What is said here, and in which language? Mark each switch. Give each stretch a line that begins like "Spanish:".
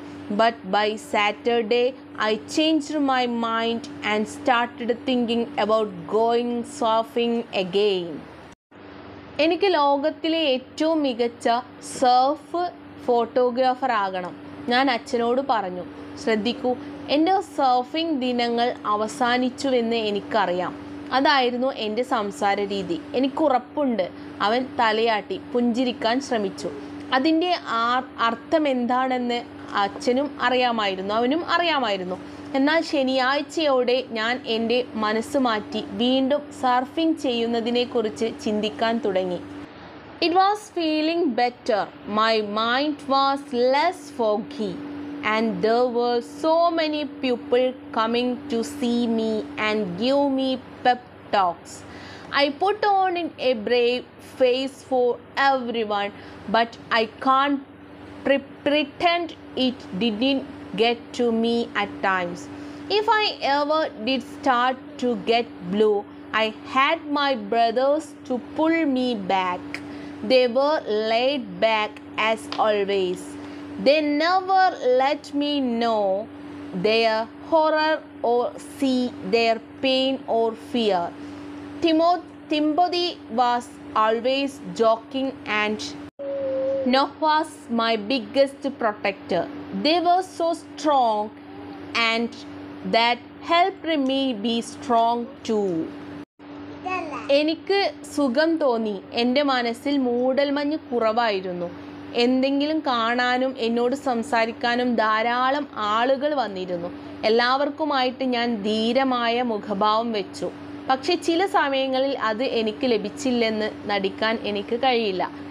English: But by Saturday, I changed my mind and started thinking about going surfing again.
Malayalam: എനിക്ക് ലോകത്തിലെ ഏറ്റവും മികച്ച surf photographer ആകണം, ഞാൻ അച്ഛനോട് പറഞ്ഞു. ശ്രദ്ധിക്കൂ, എൻ്റെ സർഫിംഗ് ദിനങ്ങൾ അവസാനിച്ചുവെന്ന് എനിക്കറിയാം. അതായിരുന്നു എൻ്റെ സംസാര രീതി. എനിക്കുറപ്പുണ്ട്, അവൻ തലയാട്ടി പുഞ്ചിരിക്കാൻ ശ്രമിച്ചു. അതിൻ്റെ അർത്ഥം എന്താണെന്ന് അച്ഛനും അറിയാമായിരുന്നു, അവനും അറിയാമായിരുന്നു. എന്നാൽ ശനിയാഴ്ചയോടെ ഞാൻ എൻ്റെ മനസ്സ് മാറ്റി വീണ്ടും സർഫിംഗ് ചെയ്യുന്നതിനെക്കുറിച്ച് ചിന്തിക്കാൻ തുടങ്ങി.
English: It was feeling better. My mind was less foggy and there were so many people coming to see me and give me pep talks. I put on in a brave face for everyone, but I can't pretend it didn't get to me at times. If I ever did start to get blue, I had my brothers to pull me back. They were laid back as always. They never let me know their horror or see their pain or fear. Timothy was always joking and Noah was my biggest protector. They were so strong and that helped me be strong too.
Malayalam: എനിക്ക് സുഖം തോന്നി. എൻ്റെ മനസ്സിൽ മൂടൽമഞ്ഞ് കുറവായിരുന്നു. എന്തെങ്കിലും കാണാനും എന്നോട് സംസാരിക്കാനും ധാരാളം ആളുകൾ വന്നിരുന്നു. എല്ലാവർക്കുമായിട്ട് ഞാൻ ധീരമായ മുഖഭാവം വെച്ചു. പക്ഷേ ചില സമയങ്ങളിൽ അത് എനിക്ക് ലഭിച്ചില്ലെന്ന് നടിക്കാൻ എനിക്ക് കഴിയില്ല.